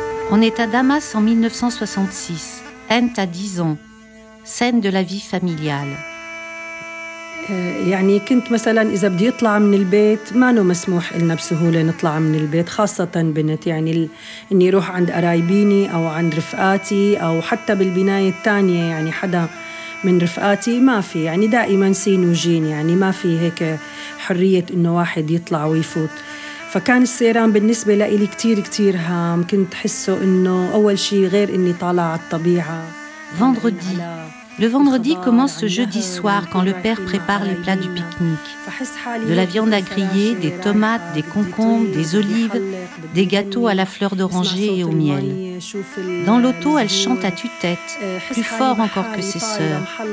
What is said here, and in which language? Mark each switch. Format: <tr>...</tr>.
<fr>On est à Damas en 1966. Ant a 10 ans. Scène de la vie familiale.</fr> <ar>يعني كنت مثلا اذا بدي اطلع من البيت ما له مسموح لنا بسهوله نطلع من البيت خاصه بنت يعني اني اروح عند قرايبيني او عند رفقاتي او حتى بالبنايه الثانيه يعني حدا من رفقاتي ما في يعني دائما سين وجين يعني ما في هيك حريه انه واحد يطلع ويفوت فكان السيران بالنسبه لإلي كتير كتير هام كنت حسه انه اول شيء غير اني طالع على الطبيعه</ar> <fr>vendredi Le vendredi commence ce jeudi soir quand le père prépare les plats du pique-nique. De la viande à griller, des tomates, des concombres, des olives, des gâteaux à la fleur d'oranger et au miel. Dans l'auto, elle chante à tue-tête, plus fort encore que ses sœurs.</fr>